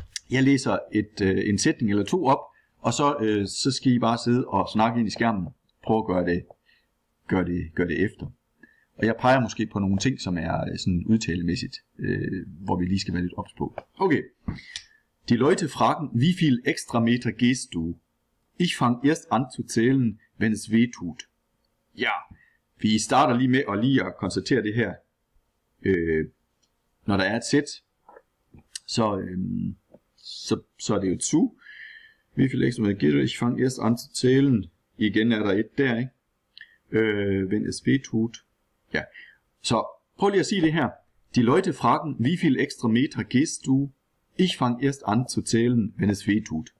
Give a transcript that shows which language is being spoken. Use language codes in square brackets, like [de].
[da] Jeg læser en sætning eller to op, og så skal I bare sidde og snakke ind i skærmen. Prøv at gøre det efter. Og jeg peger måske på nogle ting, som er sådan udtalemæssigt, hvor vi lige skal være lidt ops på. Okay. [de] Die Leute fragen, wie viel extra Meter gehst du? Ich fang erst an zu zählen, wenn es weh tut. [da] Ja, vi starter lige med at konstatere det her. Når der er et sæt, så er det jo et su. [de] Wie viel extra Meter gehst du? Ich fang erst an zu zählen. [da] Igen er der et der, ikke? [de] Wenn es weh tut. [da] Ja, så prøv lige at sige det her. [de] Die Leute fragen, wie viel extra Meter gehst du? Ich fang erst an zu zählen, wenn es weh tut.